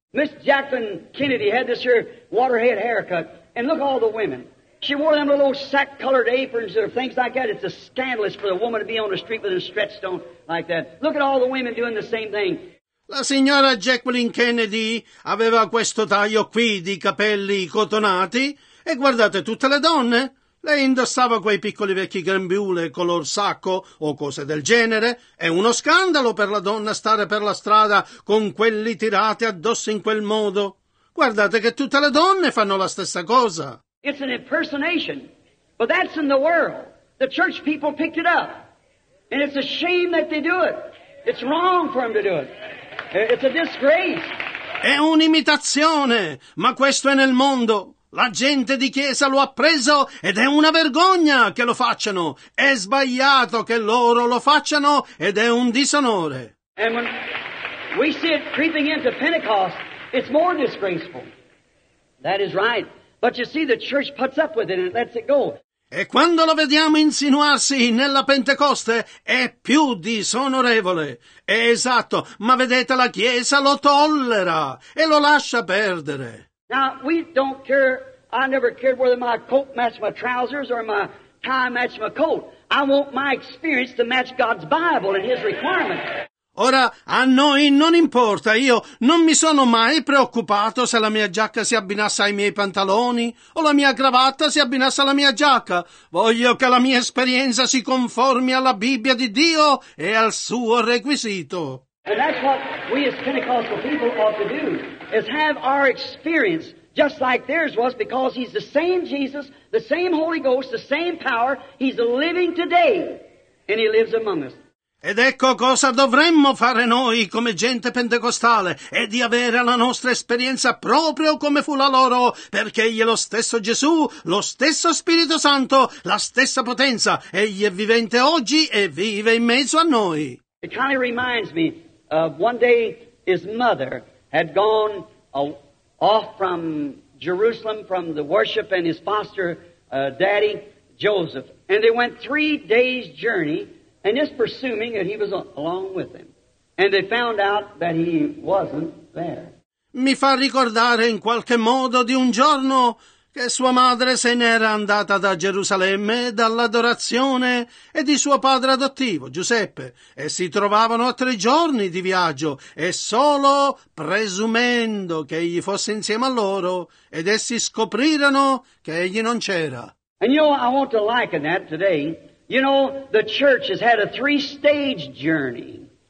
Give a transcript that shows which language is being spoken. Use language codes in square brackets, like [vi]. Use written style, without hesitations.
[en] Miss Jacqueline Kennedy had this here waterhead haircut. And look at all the women. She wore them little sack-colored aprons or things like that. It's a scandalous for a woman to be on the street with a stretched on like that. Look at all the women doing the same thing. [it] La signora Jacqueline Kennedy aveva questo taglio qui di capelli cotonati. E guardate tutte le donne. Lei indossava quei piccoli vecchi grembiule color sacco o cose del genere. È uno scandalo per la donna stare per la strada con quelli tirati addosso in quel modo. Guardate che tutte le donne fanno la stessa cosa. [en] It's an impersonation, but that's in the world. The church people picked it up, and it's a shame that they do it. It's wrong for them to do it. It's a disgrace. [it] È un'imitazione, ma questo è nel mondo. La gente di chiesa lo ha preso ed è una vergogna che lo facciano. È sbagliato che loro lo facciano ed è un disonore. [en] And when we see it creeping into Pentecost, It's more disgraceful. That is right. But you see, the church puts up with it and it lets it go. [it] E quando lo vediamo insinuarsi nella Pentecoste è più disonorevole. È esatto, ma vedete, la Chiesa lo tollera e lo lascia perdere. [en] Now, we don't care, I never cared whether my coat matched my trousers or my tie matched my coat. I want my experience to match God's Bible and His requirements. [it] Ora, a noi non importa, io non mi sono mai preoccupato se la mia giacca si abbinasse ai miei pantaloni o la mia cravatta si abbinasse alla mia giacca. Voglio che la mia esperienza si conformi alla Bibbia di Dio e al suo requisito. [en] And that's what we as Pentecostal people ought to do, is have our experience just like theirs was, because He's the same Jesus, the same Holy Ghost, the same power. He's living today and He lives among us. [it] Ed ecco cosa dovremmo fare noi come gente pentecostale, è di avere la nostra esperienza proprio come fu la loro, perché Egli è lo stesso Gesù, lo stesso Spirito Santo, la stessa potenza. Egli è vivente oggi e vive in mezzo a noi. [en] It kind of reminds me of one day his mother had gone off from Jerusalem from the worship, and his foster daddy Joseph, and they went 3 days journey. And just presuming that he was along with them. And they found out that he wasn't there. [it] Mi fa ricordare in qualche modo di un giorno che sua madre se n'era andata da Gerusalemme dall'adorazione e di suo padre adottivo, Giuseppe, e si trovavano a 3 giorni di viaggio, e solo presumendo che egli fosse insieme a loro, ed essi scoprirono che egli non c'era. [en] And you know, I want to liken that today. You know, the church has had a 3-stage journey.